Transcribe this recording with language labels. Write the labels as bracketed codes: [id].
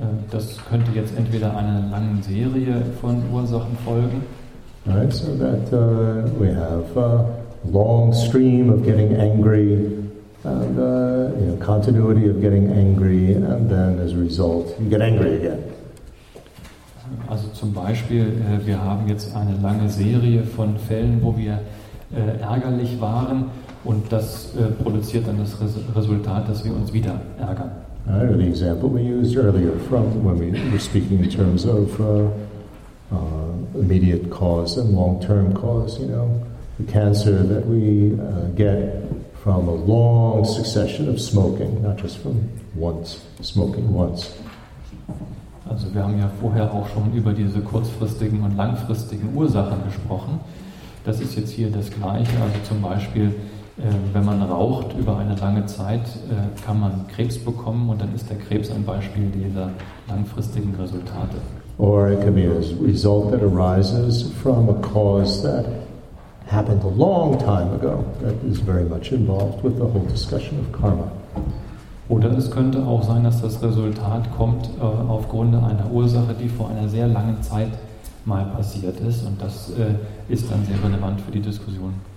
[de] Das könnte jetzt entweder einer langen Serie von Ursachen folgen. [en] Right, so that we have a long stream of getting angry, and you know, continuity of getting angry, and then as a result, you get angry again. [de] Also zum Beispiel, wir haben jetzt eine lange Serie von Fällen, wo wir ärgerlich waren, und das produziert dann das Resultat, dass wir uns wieder ärgern. [en] I know the example we used earlier from when we were speaking in terms of immediate cause and long-term cause, you know, the cancer that we get from a long succession of smoking, not just from once, smoking once. [de] Also wir haben ja vorher auch schon über diese kurzfristigen und langfristigen Ursachen gesprochen. Das ist jetzt hier das Gleiche, also zum Beispiel, wenn man raucht über eine lange Zeit, kann man Krebs bekommen, und dann ist der Krebs ein Beispiel dieser langfristigen Resultate. [en] Or it can be a result that arises from a cause that happened a long time ago, that is very much involved with the whole discussion of karma. [de] Oder es könnte auch sein, dass das Resultat kommt aufgrund einer Ursache, die vor einer sehr langen Zeit mal passiert ist, und das ist dann sehr relevant für die Diskussion.